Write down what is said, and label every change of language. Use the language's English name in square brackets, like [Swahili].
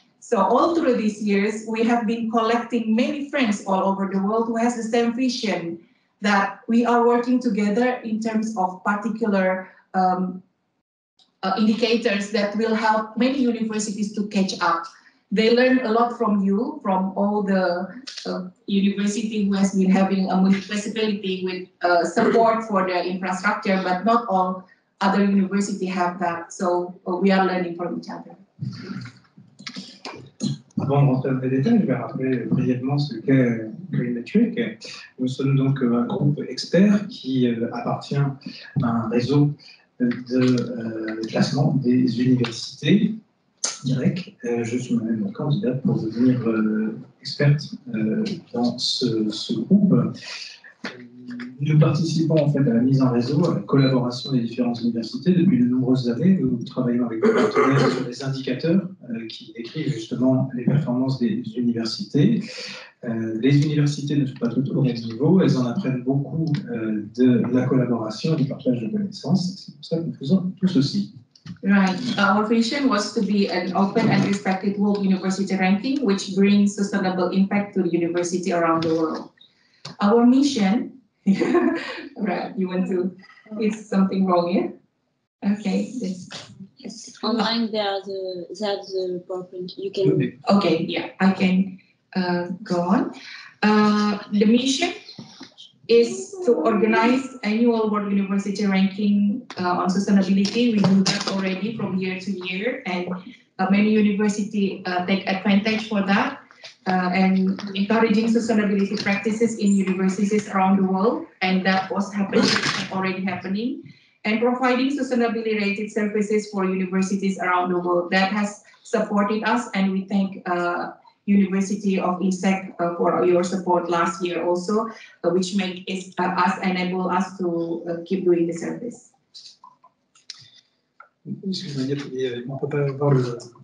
[English] So all through these years, we have been collecting many friends all over the world who has the same vision that we are working together in terms of particular indicators that will help many universities to catch up. They learn a lot from you, from all the university who has been having a municipality with support for their infrastructure, but not all other university have that. So we are learning from each other. [French] Avant d'entrer dans les détails, je vais rappeler brièvement ce qu'est Green Metric. Nous sommes donc un groupe expert qui appartient à un réseau de classement des universités. Direct, je suis moi-même candidate pour devenir experte dans ce groupe. Nous participons en fait à la mise en réseau, à la collaboration des différentes universités depuis de nombreuses années. Nous travaillons avec des partenaires sur des indicateurs qui décrivent justement les performances des universités. Les universités ne sont pas toutes au même niveau, elles en apprennent beaucoup de la collaboration et du partage de connaissances. C'est pour ça que nous faisons tout ceci. [English] Right. Our vision was to be an open and respected world university ranking, which brings sustainable impact to the university around the world. Our mission, right, you want to, it's something wrong here? Okay. Online, there's the PowerPoint. You can. Okay, yeah, I can go on. The mission is to organize annual World University Ranking on sustainability. We do that already from year to year, and many universities take advantage for that, and encouraging sustainability practices in universities around the world, and that was already happening, and providing sustainability-related services for universities around the world. That has supported us, and we thank University of INSEC for your support last year also, which make is, us enable us to keep doing the service. [French] Excusez-moi, on ne peut pas voir le.